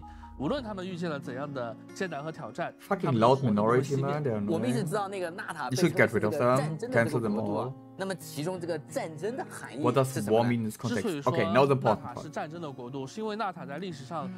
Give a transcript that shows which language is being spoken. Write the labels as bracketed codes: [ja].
[zh] 然后纳塔历代有很多英雄和英杰，他们用自己的精神力量将纳塔的火不断的向未来、向新一代去传递。无论他们遇见了怎样的艰难和挑战 [en] ，Fucking loud minority man, they're annoying. [zh] 我们一直知道那个纳塔被 [en] You should get rid of them, cancel them all. [zh] 那么其中这个战争的含义 [en] What does war mean in this context? Okay, now the important part. [zh] 纳塔是战争的国度，是因为纳塔在历史上